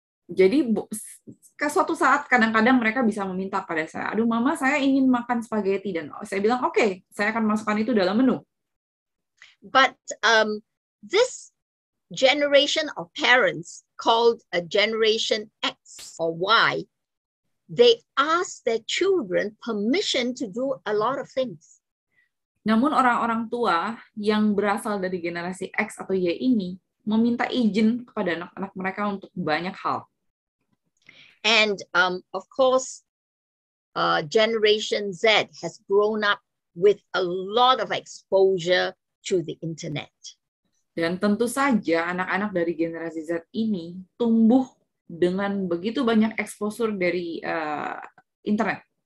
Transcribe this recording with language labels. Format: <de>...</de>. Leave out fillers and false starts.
<id>Jadi, ke suatu saat kadang-kadang mereka bisa meminta pada saya, "Aduh, mama, saya ingin makan spaghetti," dan saya bilang, "Oke, okay, saya akan masukkan itu dalam menu."</id> <en>But this generation of parents called a Generation X or Y. They ask their children permission to do a lot of things.</en> <id>Namun orang-orang tua yang berasal dari generasi X atau Y ini meminta izin kepada anak-anak mereka untuk banyak hal.</id> <en>And of course, Generation Z has grown up with a lot of exposure to the internet.</en> <id>Dan tentu saja anak-anak dari generasi Z ini tumbuh dengan begitu banyak exposure dari internet.</id>